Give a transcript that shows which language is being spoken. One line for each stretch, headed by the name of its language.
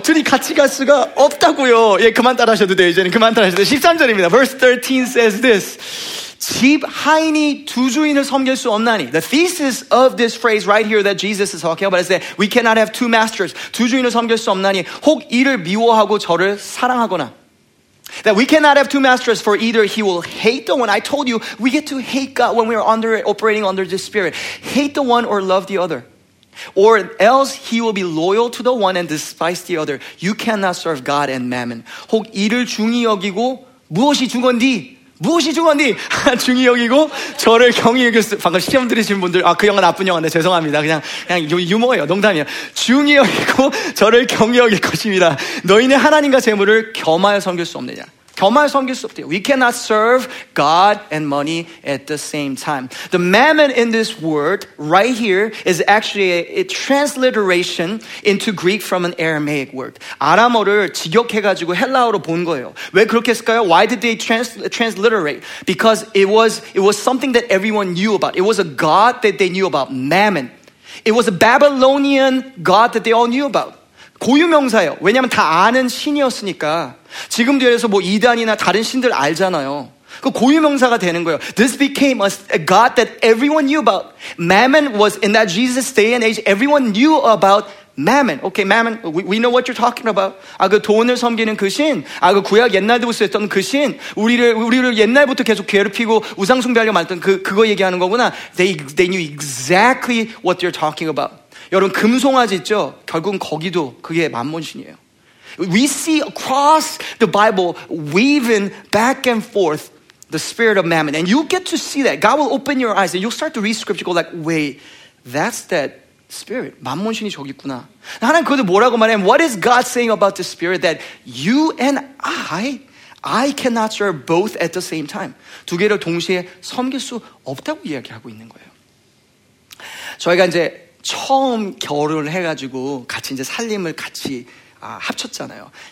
Korean: 둘이 같이 갈 수가 없다고요. 예, 그만 따라하셔도 돼요. 이제는 그만 따라하셔도 돼요. 13절입니다.
English: Verse 13 says this.
Korean: 집 하인이 두 주인을 섬길 수 없나니.
English: The thesis of this phrase right here that Jesus is talking about is that we cannot have two masters.
Korean: 두 주인을 섬길 수 없나니. 혹 이를 미워하고 저를 사랑하거나.
English: That we cannot have two masters, for either he will hate the one. I told you, we get to hate God when we are operating under the spirit. Hate the one or love the other. Or else he will be loyal to the one and despise the other. You cannot serve God and mammon.
Korean: 혹 이를 중히 여기고 무엇이 중헌디 중히 여기고 저를 경히 여길 수 방금 시험 들으신 분들 아 그 영화 나쁜 영화인데 죄송합니다 그냥 유머예요 농담이에요 중히 여기고 저를 경히 여길 것입니다 너희네 하나님과 재물을 겸하여 섬길 수 없느냐 겸하여 섬길 수 없대요
English: We cannot serve God and money at the same time The mammon in this word right here is actually a transliteration into Greek from an Aramaic word
Korean: 아람어를 직역해가지고 헬라어로 본 거예요 왜 그렇게 했을까요?
English: Why did they transliterate? Because it was something that everyone knew about It was a god that they knew about Mammon It was a Babylonian god that they all knew about
Korean: 고유명사예요 왜냐하면 다 아는 신이었으니까 지금도 예를 들어서 뭐 이단이나 다른 신들 알잖아요 그 고유명사가 되는 거예요
English: This became a god that everyone knew about Mammon was in that Jesus day and age Everyone knew about Mammon. Okay, Mammon. We know what you're talking about.
Korean: 아, 그 돈을 섬기는 그 신. 아, 그 구약 옛날부터 했던 그 신. 우리를 옛날부터 계속 괴롭히고 우상숭배하려고 말했던 그거 얘기하는 거구나.
English: They knew exactly what they're talking about.
Korean: 여러분, 금송아지 있죠? 결국은 거기도 그게 만몬신이에요.
English: We see across the Bible weaving back and forth the spirit of mammon. And you get to see that. God will open your eyes and you'll start to read scripture. Go like, wait, that's that spirit.
Korean: 만몬신이 저기 있구나. 하나님 그것도 뭐라고 말하면,
English: what is God saying about the spirit that you and I cannot serve both at the same time.
Korean: 두 개를 동시에 섬길 수 없다고 이야기하고 있는 거예요. 저희가 이제 처음 결혼을 해가지고 같이 이제 살림을 같이 합쳤잖아요.